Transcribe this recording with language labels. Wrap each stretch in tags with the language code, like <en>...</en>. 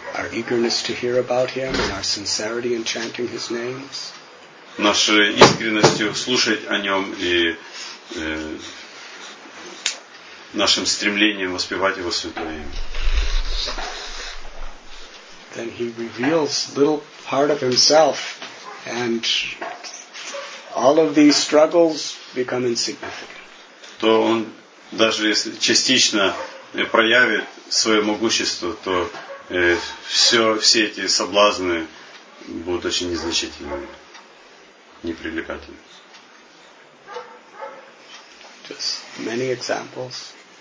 <en>Our eagerness to hear about him and our sincerity in chanting his names.</en> <ru>Нашей искренностью слушать о нем и нашим стремлением воспевать его святое имя.</ru> <en>Then he reveals little part of himself and all of these struggles become insignificant.</en> <ru>То он даже если частично проявит свое могущество, то все эти соблазны будут очень незначительными, непривлекательными.</ru> <en>Just many examples.</en>